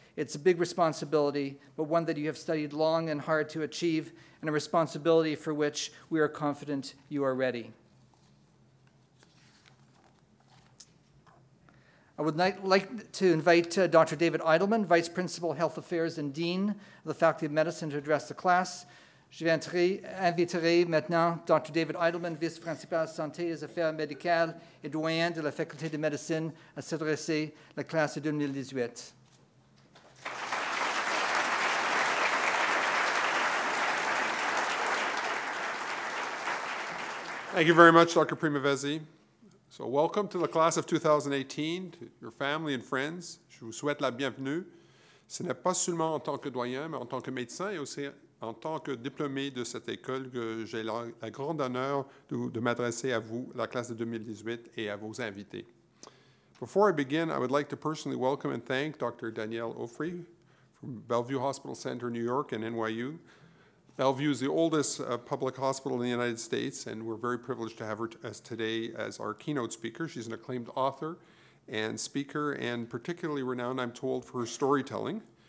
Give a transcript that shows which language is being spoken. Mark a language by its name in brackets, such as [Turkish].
[English] It's a big responsibility, but one that you have studied long and hard to achieve, and a responsibility for which we are confident you are ready. I would like to invite Dr. David Eidelman, Vice Principal, Health Affairs, and Dean of the Faculty of Medicine to address the class. [French] Je inviterai maintenant Dr. David Eidelman, vice-principal santé et affaires médicales et doyen de la Faculté de médecine à s'adresser à la classe 2018. [English] Thank you very much, Dr. Primavesi. So welcome to the class of 2018, to your family and friends. [French] Je vous souhaite la bienvenue. Ce n'est pas seulement en tant que doyen, mais en tant que médecin et aussi en tant que diplômé de cette école, que j'ai la grande honneur de m'adresser à vous, la classe de 2018, et à vos invités. [English] Before I begin, I would like to personally welcome and thank Dr. Danielle Offrey from Bellevue Hospital Center, New York, and NYU. Bellevue is the oldest public hospital in the United States, and we're very privileged to have her today as our keynote speaker. She's an acclaimed author and speaker, and particularly renowned, I'm told, for her storytelling.